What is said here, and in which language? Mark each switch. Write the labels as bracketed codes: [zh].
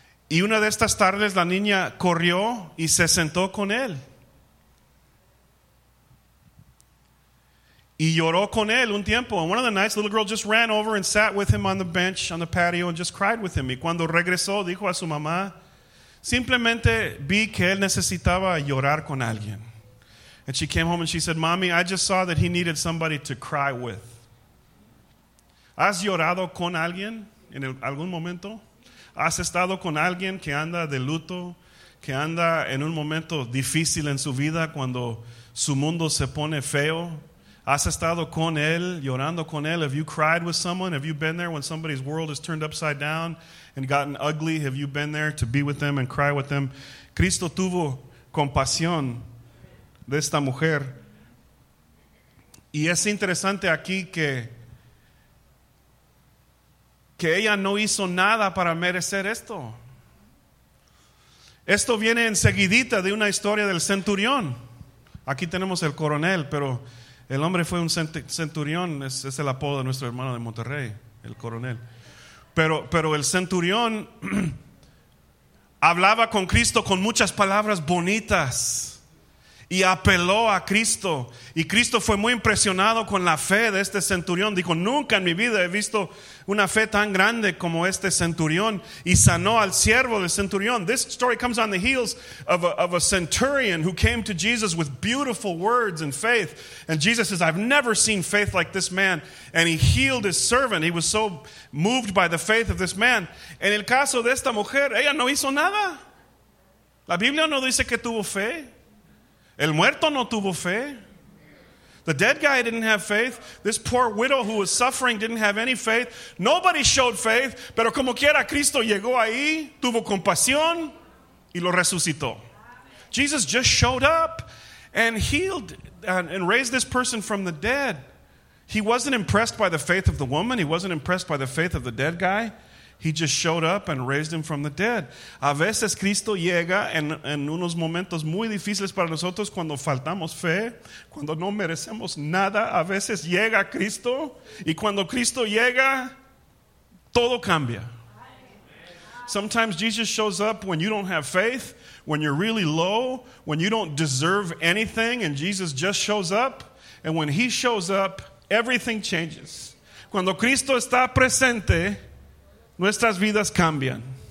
[es] Y una de estas tardes, la niña corrió y se sentó con él. Y lloró con él un tiempo. [en] And one of the nights, the little girl just ran over and sat with him on the bench, on the patio, and just cried with him. [es] Y cuando regresó, dijo a su mamá, simplemente vi que él necesitaba llorar con alguien. [en] And she came home and she said, Mommy, I just saw that he needed somebody to cry with. [es] ¿Has llorado con alguien en algún momento? ¿Has estado con alguien que anda de luto, que anda en un momento difícil en su vida cuando su mundo se pone feo? ¿Has estado con él, llorando con él? [en] Have you cried with someone? Have you been there when somebody's world is turned upside down and gotten ugly? Have you been there to be with them and cry with them? [es] Cristo tuvo compasión de esta mujer. Y es interesante aquí que ella no hizo nada para merecer esto. Esto viene enseguidita de una historia del centurión. Aquí tenemos el coronel, pero el hombre fue un centurión, es el apodo de nuestro hermano de Monterrey, el coronel. Pero el centurión hablaba con Cristo con muchas palabras bonitas y apeló a Cristo. Y Cristo fue muy impresionado con la fe de este centurión. Dijo, nunca en mi vida he visto una fe tan grande como este centurión. Y sanó al siervo del centurión. [en] This story comes on the heels of a centurion who came to Jesus with beautiful words and faith. And Jesus says, I've never seen faith like this man. And he healed his servant. He was so moved by the faith of this man. [es] En el caso de esta mujer, ella no hizo nada. La Biblia no dice que tuvo fe. El muerto no tuvo fe. [en] The dead guy didn't have faith. This poor widow who was suffering didn't have any faith. Nobody showed faith. [es] Pero como quiera, Cristo llegó ahí, tuvo compasión y lo resucitó. [en] Jesus just showed up and healed and raised this person from the dead. He wasn't impressed by the faith of the woman. He wasn't impressed by the faith of the dead guy. He just showed up and raised him from the dead. [es] A veces Cristo llega en unos momentos muy difíciles para nosotros cuando faltamos fe, cuando no merecemos nada. A veces llega Cristo y cuando Cristo llega, todo cambia. [en] Sometimes Jesus shows up when you don't have faith, when you're really low, when you don't deserve anything, and Jesus just shows up. And when he shows up, everything changes. [es] Cuando Cristo está presente, nuestras vidas cambian.